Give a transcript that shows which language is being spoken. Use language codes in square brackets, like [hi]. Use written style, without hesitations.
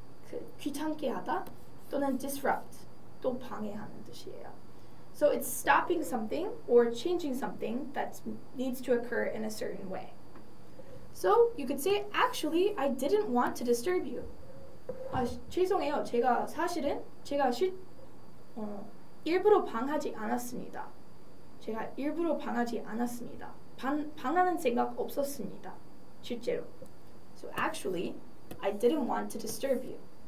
[ko] 그 귀찮게 하다, 또는 disrupt, 또 방해하는 뜻이에요. [en] So, it's stopping something or changing something that needs to occur in a certain way. So, you could say, actually, I didn't want to disturb you. [ko] 아, 죄송해요. 제가 사실은 제가 일부러 방하지 않았습니다. 제가 일부러 방하지 않았습니다. 방하는 생각 없었습니다. 실제로. [en] So actually, I didn't want to disturb you.